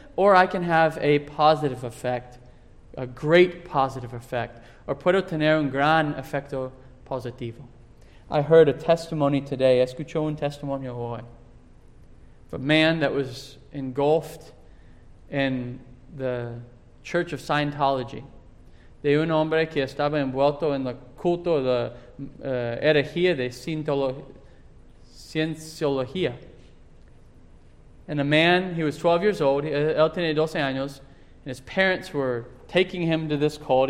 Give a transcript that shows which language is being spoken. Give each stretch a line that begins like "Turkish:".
English: Or I can have a positive effect, a great positive effect.
Spanish: Or puedo tener un gran efecto positivo.
English: I heard a testimony today.
Spanish: Escuchó un testimonio hoy.
English: Of a man that was engulfed in the Church of Scientology.
Spanish: De un hombre que estaba envuelto en el culto de herejía de cienciología.
English: And a man, he was 12 years old.
Spanish: Él tenía 12 años.
English: And his parents were taking him to this cult.